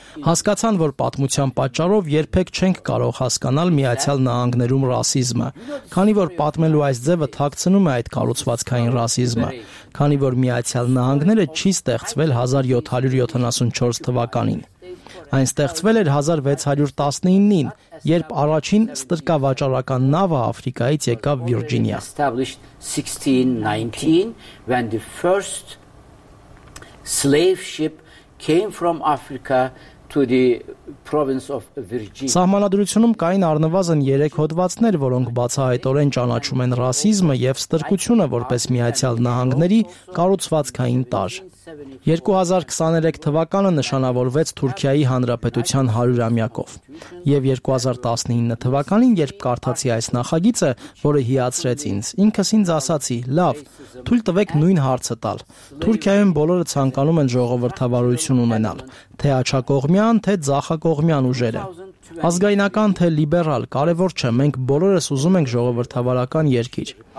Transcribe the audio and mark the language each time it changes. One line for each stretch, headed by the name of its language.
Armenian: Հասկացան, որ պատմության պատճառով երբեք չենք կարող հասկանալ Միացյալ Նահանգներում ռասիզմը, քանի որ պատմելու այս ձևը թաքցնում է այդ կառուցվածքային ռասիզմը, քանի որ Միացյալ Նահանգները չի ստեղծվել 1774 թվականին։ Այն ստեղծվել էր 1619-ին, երբ առաջին ստրկավաճառական նավը Աֆրիկայից եկավ Վիրջինիա։
English: Established 1619 when the first slave ship came from Africa to the province of Virginia.
Armenian: Սահմանադրությունում կային առնվազն 3 հոդվածներ, որոնք բացահայտորեն ճանաչում են ռասիզմը եւ ստրկությունը որպես Միացյալ Նահանգների կառուցվածքային տար։ 2023 թվականը նշանավորվեց Թուրքիայի Հանրապետության 100-ամյակով։ Եվ 2019 թվականին, երբ կարդացի այս նախագիծը, որը հիացրեց ինձ, ինքս ինձ ասացի, լավ, թույլ տվեք նույն հարցը տալ։ Թուրքիայում բոլորը ցանկանում են ժողովրդավարություն ունենալ, թե աջակողմյան, թե ձախակողմյան ուժերը։ Ազգայնական թե լիբերալ, կարևոր չէ, մենք բոլորս ուզում ենք ժողովրդավարական երկիր։